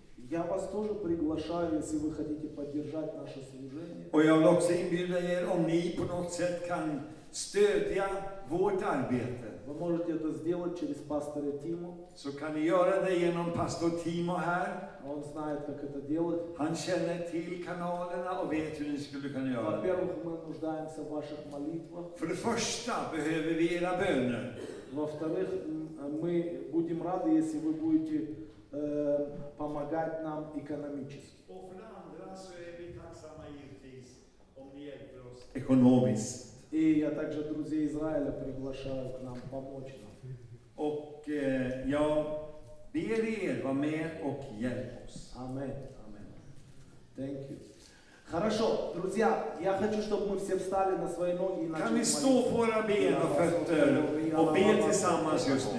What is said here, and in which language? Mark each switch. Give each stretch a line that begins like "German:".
Russian: Я вас тоже приглашаю, если вы хотите поддержать наше служение.
Swedish: Och jag vill också inbjuda er, om ni på något sätt kan stödja vårt arbete.
Russian: Вы можете это сделать через пастора Тимо.
Swedish: Så kan ni göra det genom pastor Timo här.
Russian: Он знает, как это делать.
Swedish: Han känner till kanalerna och vet hur ni skulle kunna göra.
Russian: Во-первых, мы нуждаемся в ваших молитвах.
Swedish: För det första behöver vi era böner.
Russian: Во-вторых, мы будем рады, если вы будете помогать нам экономически.
Swedish: Och för det andra så är vi tacksamma givetvis om ni hjälper oss ekonomiskt.
Russian: И я также друзей Израиля приглашаю к нам помочь нам.
Swedish: Och jag ber er vara med och hjälp oss.
English: Amen. Amen. Thank you.
Russian: Хорошо, друзья, я хочу, чтобы мы все встали на свои ноги и начали молиться. Кто пора бить, фетер, обети сама сюжет.